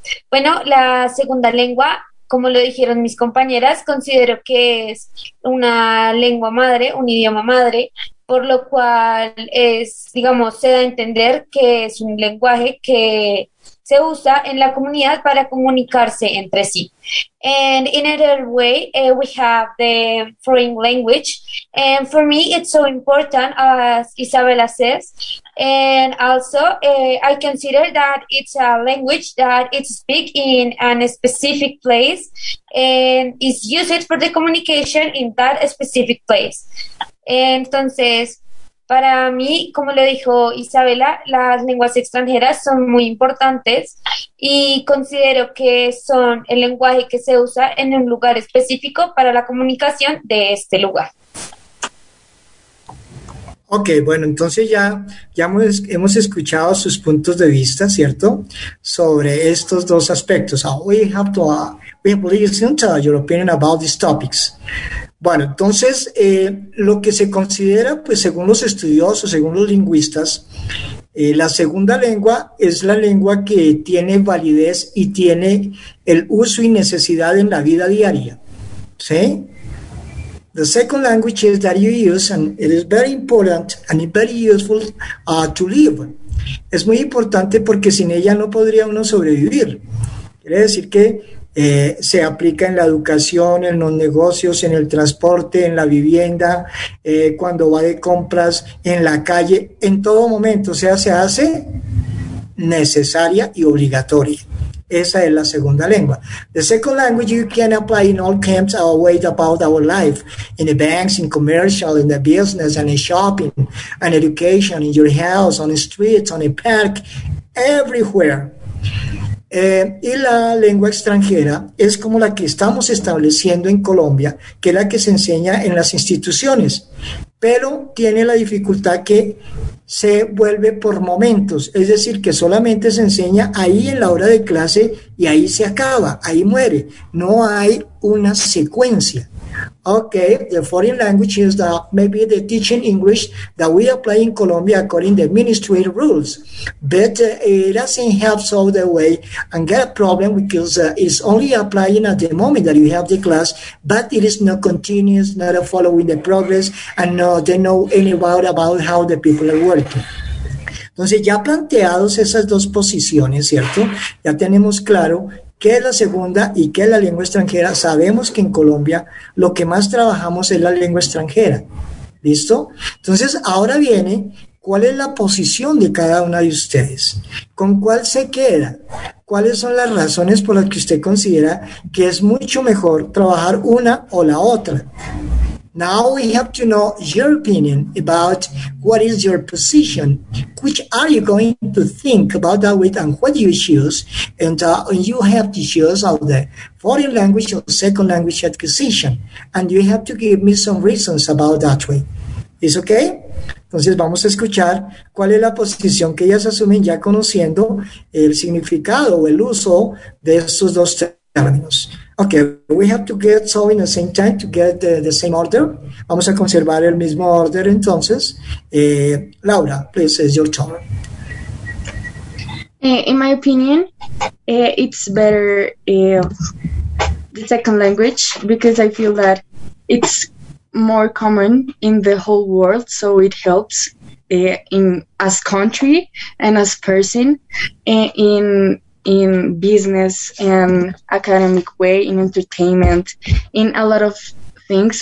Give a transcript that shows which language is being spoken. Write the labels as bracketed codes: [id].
[es] Bueno, la segunda lengua, como lo dijeron mis compañeras, considero que es una lengua madre, un idioma madre, por lo cual es, digamos, se da a entender que es un lenguaje que se usa en la comunidad para comunicarse entre sí. [en] And in another way, we have the foreign language. And for me, it's so important, as Isabella says. And also, I consider that it's a language that it's speak in a specific place and is used for the communication in that specific place. [es] Entonces, Para mí, como lo dijo Isabela, las lenguas extranjeras son muy importantes y considero que son el lenguaje que se usa en un lugar específico para la comunicación de este lugar. Ok, bueno, entonces ya hemos escuchado sus puntos de vista, ¿cierto? Sobre estos dos aspectos. [en] We have listened to your opinion about these topics. [es] Bueno, entonces, lo que se considera, pues según los estudiosos, según los lingüistas, la segunda lengua es la lengua que tiene validez y tiene el uso y necesidad en la vida diaria, ¿sí? [en] The second language is that you use, and it is very important and it's very useful to live. [es] Es muy importante porque sin ella no podría uno sobrevivir. Quiere decir que se aplica en la educación, en los negocios, en el transporte, en la vivienda, cuando va de compras, en la calle, en todo momento. O sea, se hace necesaria y obligatoria. Esa es la segunda lengua. [en] The second language you can apply in all camps our way about our life, in the banks, in commercial, in the business, and in shopping, and education, in your house, on the streets, on the park, everywhere. [es] Y la lengua extranjera es como la que estamos estableciendo en Colombia, que es la que se enseña en las instituciones, pero tiene la dificultad que se vuelve por momentos, es decir, que solamente se enseña ahí en la hora de clase y ahí se acaba, ahí muere, no hay una secuencia. [en] Okay, the foreign language is the maybe the teaching English that we apply in Colombia according to the ministry rules, but it doesn't help solve the way and get a problem because it's only applying at the moment that you have the class, but it is not continuous, not following the progress, and no they know any about how the people are working. [es] Entonces, ya planteados esas dos posiciones, ¿cierto? Ya tenemos claro qué es la segunda y qué es la lengua extranjera. Sabemos que en Colombia lo que más trabajamos es la lengua extranjera. ¿Listo? Entonces, ahora viene, ¿cuál es la posición de cada una de ustedes? ¿Con cuál se queda? ¿Cuáles son las razones por las que usted considera que es mucho mejor trabajar una o la otra? [en] Now we have to know your opinion about what is your position, which are you going to think about that with and what you choose, and you have to choose of the foreign language or second language acquisition, and you have to give me some reasons about that way. [es] ¿Es okay? Entonces vamos a escuchar cuál es la posición que ellas asumen ya conociendo el significado o el uso de estos dos términos. [en] Okay, we have to get so in the same time to get the same order. [es] Vamos a conservar el mismo orden entonces. Laura, [en] please, it's your turn. In my opinion, it's better the second language because I feel that it's more common in the whole world, so it helps in as country and as person in business and academic way, in entertainment, in a lot of things.